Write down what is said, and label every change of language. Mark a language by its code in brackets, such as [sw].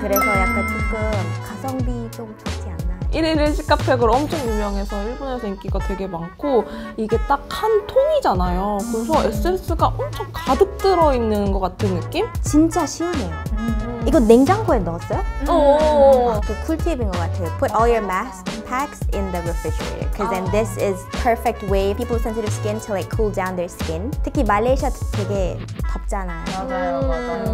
[ko] 그래서 약간 조금 가성비 좀 좋지 않나. 1일 1시카 팩으로 엄청 유명해서 일본에서 인기가 되게 많고 이게 딱 한 통이잖아요. 그래서 에센스가 엄청 가득 들어있는 것 같은 느낌? 진짜 시원해요. 이거 냉장고에 넣었어요? 오. 꿀팁인 것 같아요. [en] Put all your masks and packs in the refrigerator. Because then this is perfect way people with sensitive skin to like cool down their skin. [ko] 특히 말레이시아 되게 덥잖아요.